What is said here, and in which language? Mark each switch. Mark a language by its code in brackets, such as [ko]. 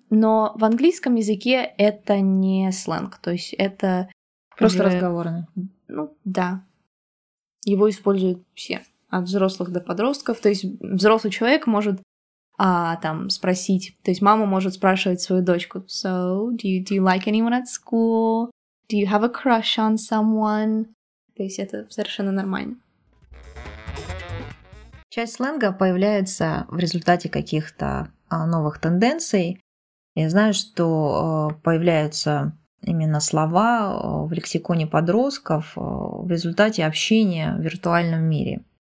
[ru] Но в английском языке это не сленг, то есть это... Просто уже... разговорно. Ну, да. Его используют все, от взрослых до подростков. То есть взрослый человек может там спросить, то есть мама может спрашивать свою дочку: [en] «So, do you like anyone at school? Do you have a crush on someone?» [ru] То есть это совершенно нормально. Часть сленга появляется в результате каких-то новых тенденций. Я знаю, что появляются именно слова в лексиконе подростков в результате общения в виртуальном мире.